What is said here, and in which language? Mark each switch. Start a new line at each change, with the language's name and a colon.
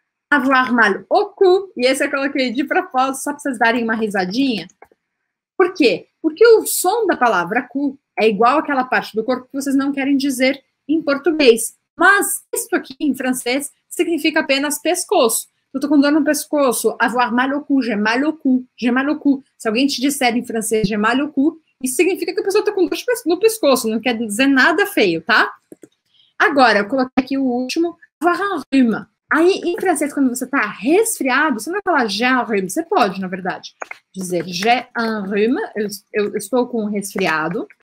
French: Avoir mal o cu,
Portuguese: e esse eu coloquei de propósito, só para vocês darem uma risadinha. Por quê? Porque o som da palavra cu é igual àquela parte do corpo que vocês não querem dizer em português. Mas isso aqui, em francês, significa apenas pescoço. Eu tô com dor no pescoço.
French: Avoir mal au cou, j'ai mal au cou, j'ai mal au cou.
Portuguese: Se alguém te disser em francês
French: j'ai mal au cou,
Portuguese: isso significa que a pessoa tá com dor no pescoço, não quer dizer nada feio, tá? Agora, eu coloquei aqui o último.
French: Avoir un rhume.
Portuguese: Aí, em francês, quando você tá resfriado, você não vai falar
French: j'ai un rhume.
Portuguese: Você pode, na verdade, dizer
French: j'ai un rhume,
Portuguese: eu estou com resfriado.